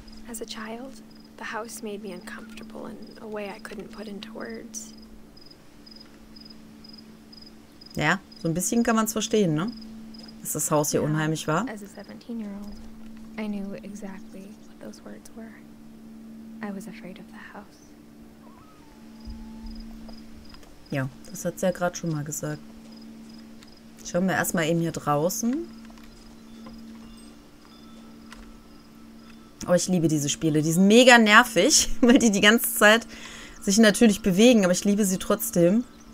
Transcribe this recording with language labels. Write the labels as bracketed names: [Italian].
[English] As a child, the house made me uncomfortable in a way I couldn't put into words. [German] Ja, so ein bisschen kann man es verstehen, ne? Dass das Haus hier unheimlich war. [English] As a 17-year-old, I knew exactly what those words were. I was afraid of the house. [German] Ja, das hat sie ja gerade schon mal gesagt. Schauen wir erstmal eben hier draußen. Oh, ich liebe diese Spiele. Die sind mega nervig, weil die ganze Zeit sich natürlich bewegen, aber ich liebe sie trotzdem.